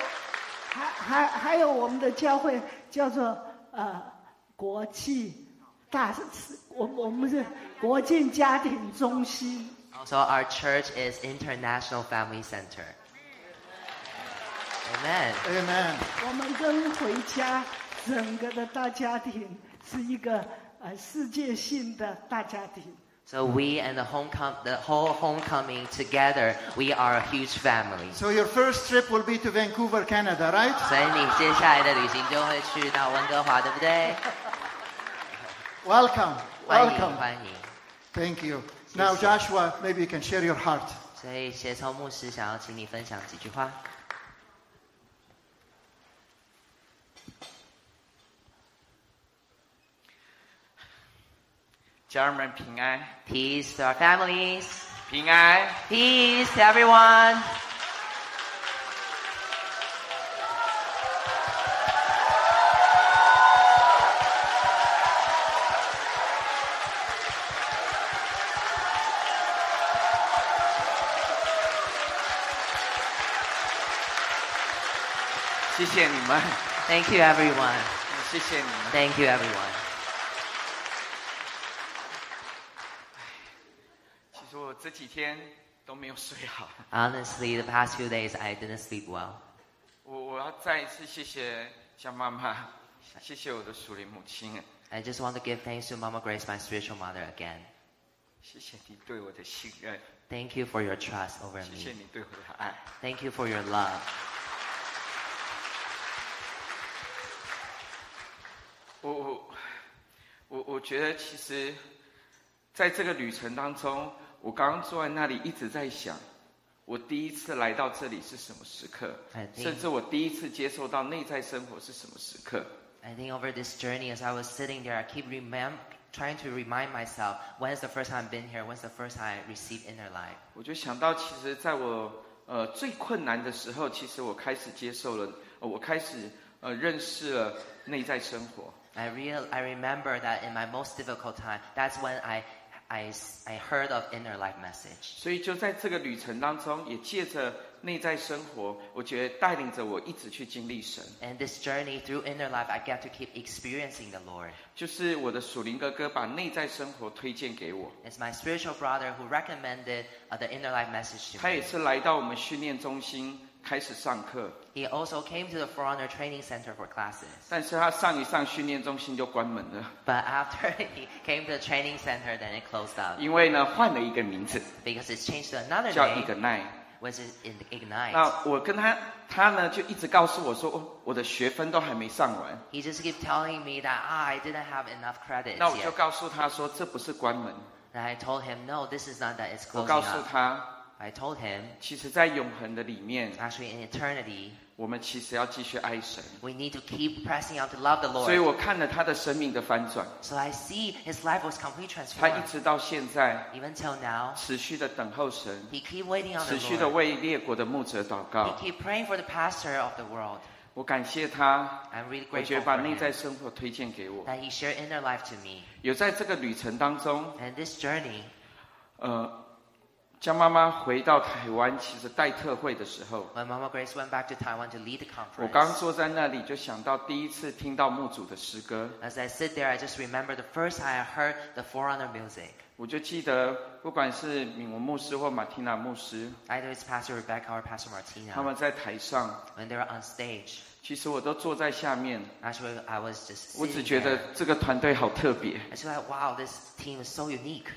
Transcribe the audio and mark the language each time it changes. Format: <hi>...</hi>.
<zh>还有我们的教会叫做国际大我们是国际家庭中心。</zh> <en>Also, our church is International Family Center. Amen. Amen.</en> <zh>我们跟回家整个的大家庭是一个世界性的大家庭。</zh> <en>So we and the whole homecoming together, we are a huge family. So your first trip will be to Vancouver, Canada, right?</en> <zh>所以你接下来的旅行就会去到温哥华，对不对？</zh> <en>Welcome, welcome.</en> <zh>欢迎，欢迎。</zh> <en>Thank you.</en> <zh>谢谢。</zh> <en>Now Joshua, maybe you can share your heart.</en> <zh>所以协同牧师想要请你分享几句话。家人们平安</zh> <en>，peace to our families，</en> <zh>平安</zh> <en>，peace to everyone。</en> <zh>谢谢你们</zh> <en>，thank you everyone。</en> <zh>谢谢你们</zh> <en>，thank you everyone。</en> <zh>这几天都没有睡好。</zh> <en>Honestly, the past few days I didn't sleep well.</en> <zh>我要再一次谢谢江妈妈，谢谢我的属灵母亲。</zh> <en>I just want to give thanks to Mama Grace, my spiritual mother, again.</en> <zh>谢谢你对我的信任。</zh> <en>Thank you for your trust over me.</en> <zh>谢谢你对我的爱。</zh> <en>Thank you for your love.</en> <zh>我觉得其实在这个旅程当中。我刚刚坐在那里一直在想我第一次来到这里是什么时刻甚至我第一次接受到内在生活是什么时刻</zh> <en>I think over this journey as I was sitting there I keep trying to remind myself when's the first time I've been here when's the first time I received inner life</en> <zh>我就想到其实在我最困难的时候其实我开始接受了我开始认识了内在生活</zh> <en>I remember that in my most difficult time that's when I heard of inner life message.</en> <zh>所以就在这个旅程当中，也借着内在生活，我觉得带领着我一直去经历神。</zh> <en>And this journey through inner life, I get to keep experiencing the Lord.</en> <zh>就是我的属灵哥哥把内在生活推荐给我。</zh> <en>It's my spiritual brother who recommended the inner life message to me.</en> <zh>他也是来到我们训练中心开始上课。</zh> <en>He also came to the Forerunner Training Center for classes.</en> <zh>但是他上一上训练中心就关门了。</zh> <en>But after he came to the training center, then it closed up.</en> <zh>因为呢，换了一个名字。</zh> <en>Because it's changed to another name.</en> <zh>叫</zh> <en>Ignite. Was in Ignite.</en> <zh>那我跟他呢，就一直告诉我说，我的学分都还没上完。</zh> <en>He just kept telling me that I didn't have enough credits.</en> <zh>那我就告诉他说，这不是关门。</zh> <en>And I told him, no, this is not that it's closing up.</en> <zh>我告诉他。</zh> <en>I told him,</en> <zh>其实在永恒的里面</zh> <en>actually in eternity,</en> <zh>我们其实要继续爱神</zh> <en>we need to keep pressing out to love the Lord.</en> <zh>所以我看了他的生命的翻转</zh> <en>so I see his life was completely transformed.</en> <zh>他一直到现在</zh> <en>even till now,</en> <zh>持续的等候神</zh> <en>he keep waiting on the Lord.</en> <zh>持续的为列国的牧者祷告</zh> <en>he keep praying for the pastor of the world.</en> <zh>我感谢他</zh> <en>I'm really grateful</en> <zh>我觉得把内在生活推荐给我</zh> <en>that he shared inner life to me.</en> <zh>有在这个旅程当中</zh> <en>and this journey,</en> <zh>江妈妈回到台湾其实带特会的时候</zh> <en>When Mama Grace went back to Taiwan to lead the conference</en> <zh>我刚坐在那里就想到第一次听到牧主的诗歌</zh> <en>As I sit there I just remember the first time I heard the Forerunner music</en> <zh>我就记得，不管是敏文牧师或马蒂娜牧师</zh> <en>，either it's Pastor Rebecca or Pastor Martina，</en> <zh>他们在台上</zh> <en>，when they're on stage，</en> <zh>其实我都坐在下面</zh> <en>，actually I was just，</en> <zh>我只觉得这个团队好特别</zh> <en>，actually wow this team is so unique，</en>